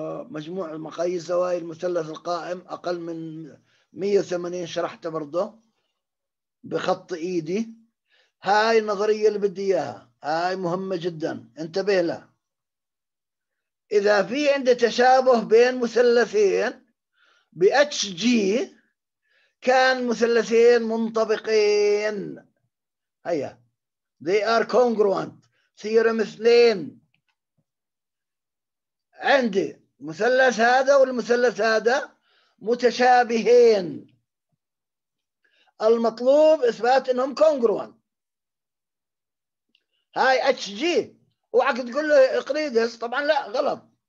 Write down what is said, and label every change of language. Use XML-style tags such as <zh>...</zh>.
<ar>مجموع مقاييس زوايا المثلث القائم أقل من 180 شرحتها برضه بخط إيدي. هاي النظرية اللي بدي إياها. هاي مهمة جدا انتبه لها. إذا في عندي تشابه بين مثلثين بـ HG كان مثلثين منطبقين. هيا</ar> <en>they are congruent.</en> <ar>ثيرم 2، عندي المثلث هذا والمثلث هذا متشابهين، المطلوب إثبات أنهم congruent. هاي اتش جي، اوعك تقول له اقليدس، طبعا لا غلط.</ar>